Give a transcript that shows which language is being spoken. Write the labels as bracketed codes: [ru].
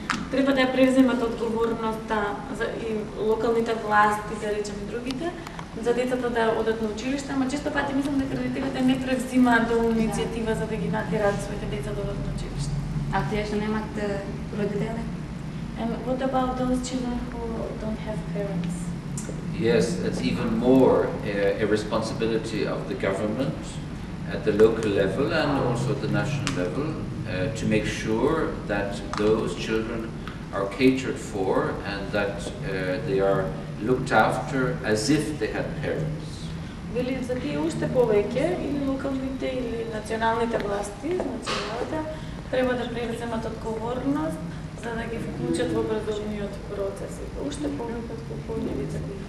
[mk] Треба да ја преземат одговорноста за и локалните власти, да речеме другите, за децата да одат на училиште, ама често пати мислам дека родителите не преземаат доволно иницијатива за да ги натерат своите деца да одат на училиште. А тие што немаат родители? [en] And what about those children who don't have parents? Yes, it's even more a responsibility of the government at the local level and also at the national level. To make sure that those children are catered for and that they are looked after as if they had parents. [mk] Вели за тие уште повеќе или локалните или националните власти, националните треба да преземат одговорност за да ги вклучат во образовниот процес. Уште повеќе од поголемите.